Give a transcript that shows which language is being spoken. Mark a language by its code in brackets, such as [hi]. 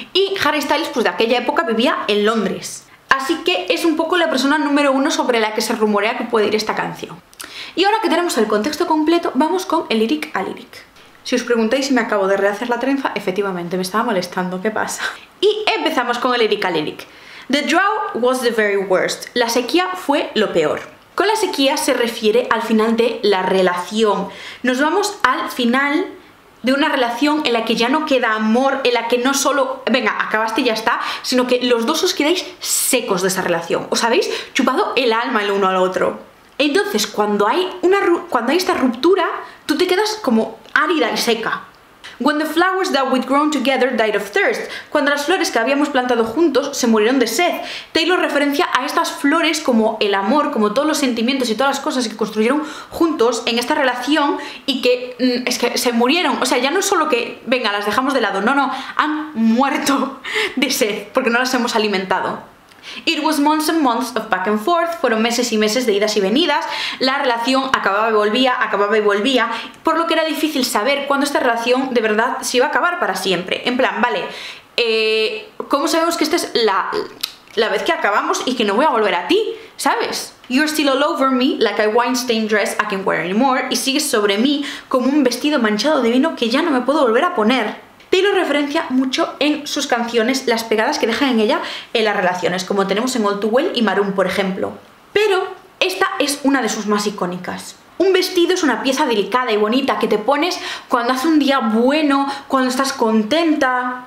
[es] Y Harry Styles, pues de aquella época, vivía en Londres. Así que es un poco la persona número uno sobre la que se rumorea que puede ir esta canción. Y ahora que tenemos el contexto completo, vamos con el lyric a lyric. Si os preguntáis si me acabo de rehacer la trenza, efectivamente, me estaba molestando, ¿qué pasa? Y empezamos con el lyric a lyric. [en] The drought was the very worst. [es] La sequía fue lo peor. Con la sequía se refiere al final de la relación. Nos vamos al final de una relación en la que ya no queda amor, en la que no solo, venga, acabaste y ya está, sino que los dos os quedáis secos de esa relación. Os habéis chupado el alma el uno al otro. Entonces, cuando hay esta ruptura, tú te quedas como árida y seca. [en] When the flowers that we'd grown together died of thirst. [es] Cuando las flores que habíamos plantado juntos se murieron de sed. Taylor referencia a estas flores como el amor, como todos los sentimientos y todas las cosas que construyeron juntos en esta relación y que es que se murieron. O sea, ya no es solo que, venga, las dejamos de lado. No, no, han muerto de sed porque no las hemos alimentado. [en] It was months and months of back and forth. [es] Fueron meses y meses de idas y venidas. La relación acababa y volvía, por lo que era difícil saber cuándo esta relación de verdad se iba a acabar para siempre. En plan, vale, ¿cómo sabemos que esta es la vez que acabamos y que no voy a volver a ti? ¿Sabes? [en] You're still all over me like a wine-stained dress I can't wear anymore. [es] Y sigues sobre mí como un vestido manchado de vino que ya no me puedo volver a poner. Taylor referencia mucho en sus canciones las pegadas que dejan en ella en las relaciones, como tenemos en All Too Well y Maroon, por ejemplo. Pero esta es una de sus más icónicas. Un vestido es una pieza delicada y bonita que te pones cuando hace un día bueno, cuando estás contenta.